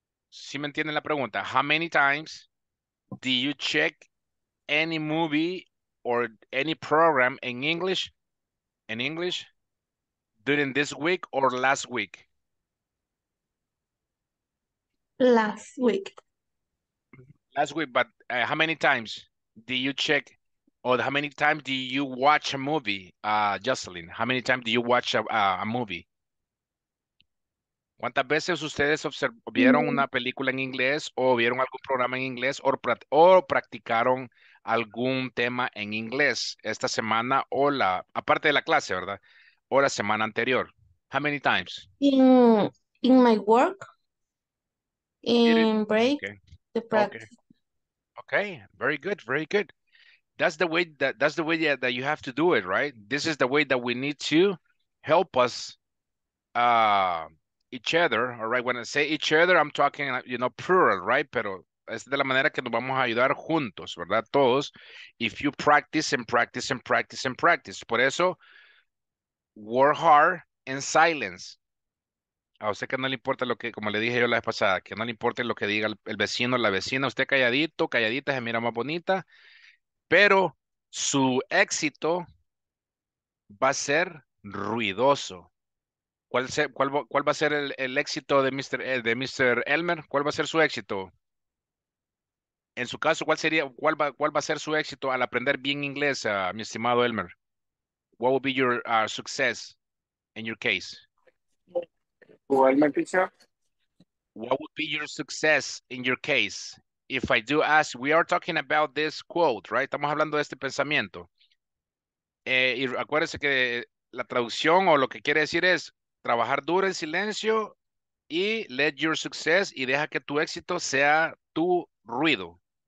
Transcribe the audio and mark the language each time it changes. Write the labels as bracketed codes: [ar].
[es] ¿Sí me entienden la pregunta? [en] How many times do you check any movie or any program in English during this week or last week? Last week, but how many times do you check Or how many times do you watch a movie, Jocelyn? How many times do you watch a movie? [es] ¿Cuántas veces ustedes vieron una película en inglés o vieron algún programa en inglés o practicaron algún tema en inglés esta semana o la, aparte de la clase, ¿verdad? O la semana anterior? [en] How many times? In my work, in break, the practice. Okay, very good, very good. That's the way that that you have to do it, right? This is the way that we need to help us each other. All right, when I say each other, I'm talking, you know, plural, right? [es] Pero es de la manera que nos vamos a ayudar juntos, ¿verdad? Todos. [en] If you practice and practice and practice and practice. [es] Por eso, [en] work hard in silence. [es] A usted que no le importa lo que, como le dije yo la vez pasada, que no le importe lo que diga el vecino, la vecina, usted calladito, calladita, se mira más bonita. Pero su éxito va a ser ruidoso. ¿Cuál va a ser el éxito de Mr. Elmer? ¿Cuál va a ser su éxito? En su caso, cuál va a ser su éxito al aprender bien inglés, mi estimado Elmer? [en] What will be your success in your case? What would be your success in your case? If I do ask, we are talking about this quote, right? [es] Estamos hablando de este pensamiento. Y acuérdense que la traducción o lo que quiere decir es trabajar duro en silencio y [en] let your success [es] y deja que tu éxito sea tu ruido.